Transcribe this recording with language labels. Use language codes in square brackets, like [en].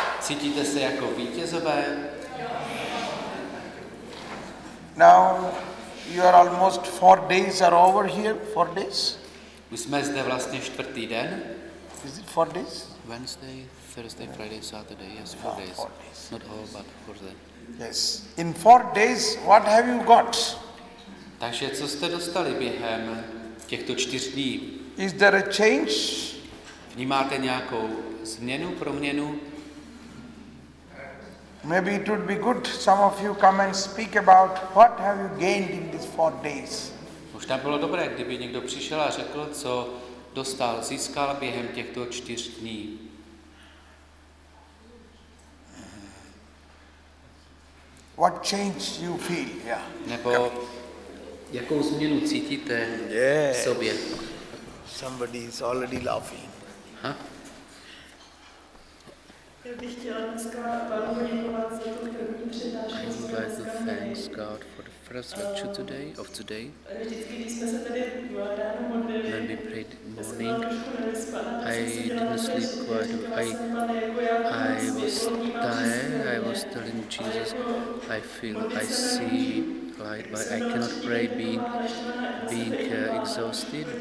[cs] Cítíte se jako vítězové? [en] Now you are almost 4 days are over here. 4 days? [cs] Už jsme zde vlastně čtvrtý den. [en] Is it 4 days? Wednesday, Thursday, Friday, Saturday. Yes, 4 days. Not all, but 4 days. Yes. In 4 days, what have you got? [cs] Takže co jste dostali během těchto 4 dní? [en] Is there a change? [cs] Vnímáte nějakou změnu, proměnu? [en] Maybe it would be good some of you come and speak about what have you gained in these 4 days. [cs] Možná bylo dobré, kdyby někdo přišel a řekl, co dostal, získal během těchto 4 dní. [en] What change you feel? Yeah. [cs] Nebo jakou změnu cítíte [en] yes. [cs] v sobě? [en] Somebody is already laughing. [cs] Já bych chtěla dneska panu poděkovat za tu první přednášku. [en] I would like to thank God for the first lecture today of today. When we prayed morning, I didn't sleep quite well. I was tired. I was telling Jesus, I feel, I see light, but I cannot pray being exhausted.